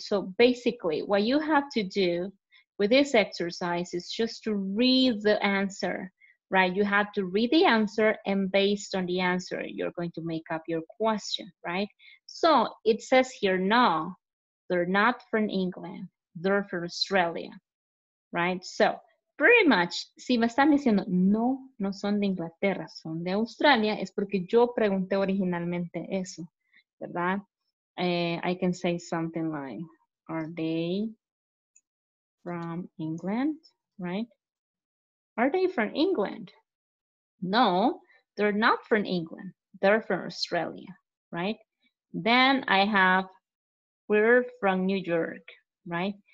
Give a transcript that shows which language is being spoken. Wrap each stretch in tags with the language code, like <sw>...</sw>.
<en>So basically what you have to do with this exercise is just to read the answer, right? You have to read the answer, and based on the answer, you're going to make up your question, right? So it says here, no, they're not from England. They're from Australia, right?</en> <es>So pretty much, si me están diciendo, no, no son de Inglaterra, son de Australia, es porque yo pregunté originalmente eso, ¿verdad?</es> <en>I can say something like, are they from England, right? Are they from England? No, they're not from England. They're from Australia, right? Then I have, we're from New York, right?</en>